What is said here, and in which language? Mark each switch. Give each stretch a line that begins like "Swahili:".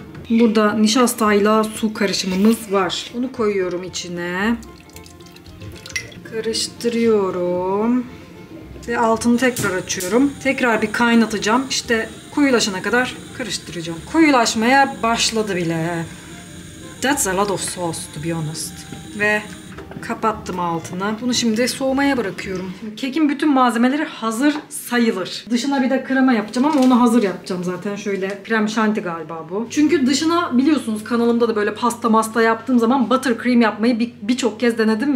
Turkish: Burada nişastayla su karışımımız var. Onu koyuyorum içine. Karıştırıyorum. Ve altını tekrar açıyorum. Tekrar bir kaynatacağım. İşte koyulaşana kadar karıştıracağım. Koyulaşmaya başladı bile.
English: That's a lot of sauce to be honest.
Turkish: Ve kapattım altını. Bunu şimdi soğumaya bırakıyorum. Kekin bütün malzemeleri hazır sayılır. Dışına bir de krema yapacağım ama onu hazır yapacağım zaten. Şöyle krem şanti galiba bu. Çünkü dışına biliyorsunuz kanalımda da böyle pasta masta yaptığım zaman butter cream yapmayı birçok kez denedim.